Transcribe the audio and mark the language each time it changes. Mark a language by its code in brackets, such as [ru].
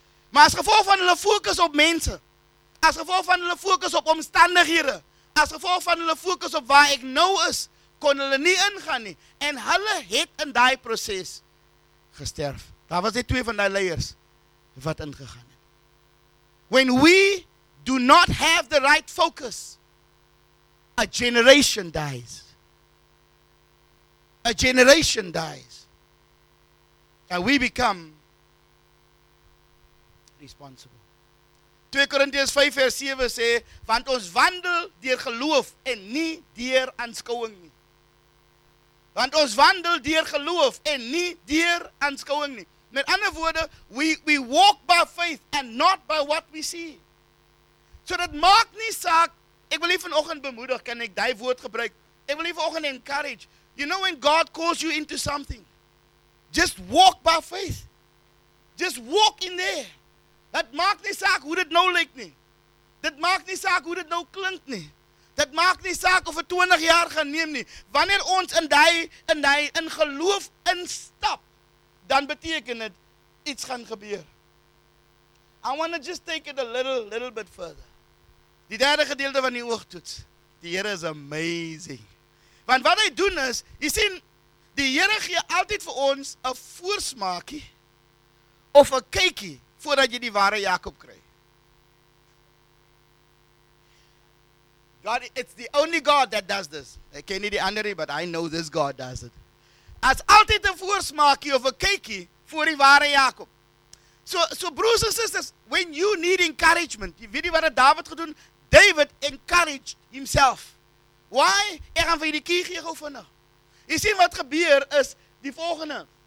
[af] Maar as gevolg van hulle fokus op mense, as gevolg van hulle fokus op omstandighede, as gevolg van hulle fokus op waar ek nou is, kon hulle nie ingaan nie. En hulle het in die proses gesterf. Daar was net twee van die leiers wat ingegaan het. [en] When we do not have the right focus, a generation dies. A generation dies. And we become responsible. [af] 2 Korintiërs 5 vers 7 sê, want ons wandel deur geloof en nie deur aanskouing nie. Want ons wandel deur geloof en nie deur aanskouing nie. Met ander woorde, [en] we walk by faith and not by what we see. [af] So dit maak nie saak. Ek wil nie vanoggend bemoedig, kan ek die woord gebruik. Ek wil nie vanoggend encourage. [en] You know when God calls you into something, just walk by faith. Just walk in there. [af] Dat maak nie saak hoe dit nou lyk nie. Dit maak nie saak hoe dit nou klink nie. Dit maak nie saak of het 20 jaar gaan neem nie. Wanneer ons in geloof instap, dan beteken dit iets gaan gebeur. [en] I want to just take it a little bit further. [af] Die derde gedeelte van die oogtoets. Die Here is amazing. Want wat hy doen is, jy sien, die Here gee altyd vir ons 'n voorsmaakie of 'n kykie voordat jy die ware Jakob kry. [en] God, it's the only God that does this. [af] Ek ken nie die ander nie, [en] but I know this God does it. [af] As altyd 'n voorsmaakie of 'n kykie voor die ware Jakob. So broers en susters, [en] when you need encouragement, [af] jy weet nie wat David gedoen. [en] David encouraged himself. Why? [af] Ek gaan vir die kie gee gou vinnig. Jy sien wat gebeur is die volgende.